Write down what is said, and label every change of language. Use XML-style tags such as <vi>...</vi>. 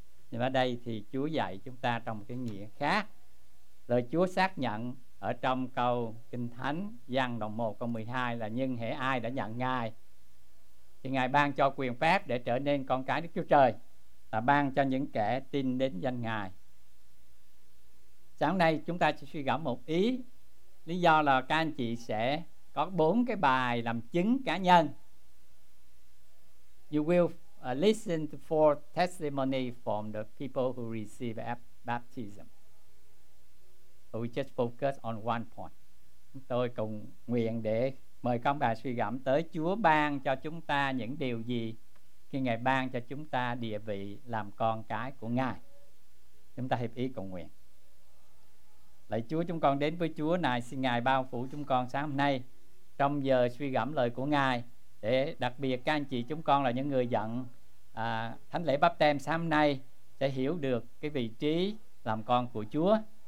<vi>Nhưng ở đây thì Chúa dạy chúng ta trong một cái nghĩa khác. Lời Chúa xác nhận ở trong câu Kinh Thánh Giăng đoạn 1 câu 12 là nhưng hễ ai đã nhận Ngài thì Ngài ban cho quyền phép để trở nên con cái Đức Chúa Trời, là ban cho những kẻ tin đến danh Ngài. Sáng nay chúng ta sẽ suy gẫm một ý. Lý do là các anh chị sẽ có bốn cái bài làm chứng cá nhân.</vi> <en>You will listen to four testimony from the people who receive baptism. We just focus on one point.</en> <vi>Tôi cùng nguyện để mời con bà suy gẫm tới Chúa ban cho chúng ta những điều gì khi Ngài ban cho chúng ta địa vị làm con cái của Ngài. Chúng ta hiệp ý cầu nguyện. Lạy Chúa, chúng con đến với Chúa này, xin Ngài bao phủ chúng con sáng hôm nay trong giờ suy gẫm lời của Ngài, để đặc biệt các anh chị chúng con là những người dẫn thánh lễ báp têm sáng hôm nay sẽ hiểu được cái vị trí làm con của Chúa.</vi>